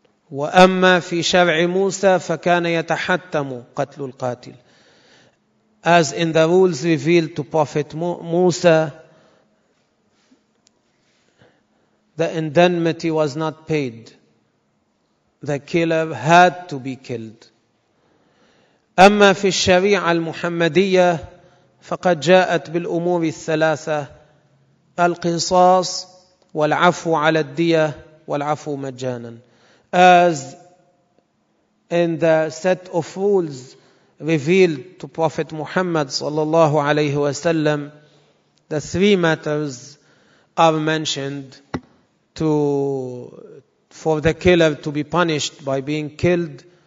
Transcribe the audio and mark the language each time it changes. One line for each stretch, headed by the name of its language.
Arabic: وَأَمَّا فِي شَرْعِ مُوسَى فَكَانَ يَتَحَتَّمُ قَتْلُ الْقَاتِلِ.
English: As in the rules revealed to Prophet Musa, the indemnity was not paid. The killer had to be killed.
Arabic: أما في الشريعة المحمدية فقد جاءت بالأمور الثلاثة القصاص والعفو على الدية والعفو مجانا.
English: As in the set of rules revealed to Prophet Muhammad
Arabic: صلى الله عليه وسلم,
English: the three matters are mentioned for the killer to be punished by being killed,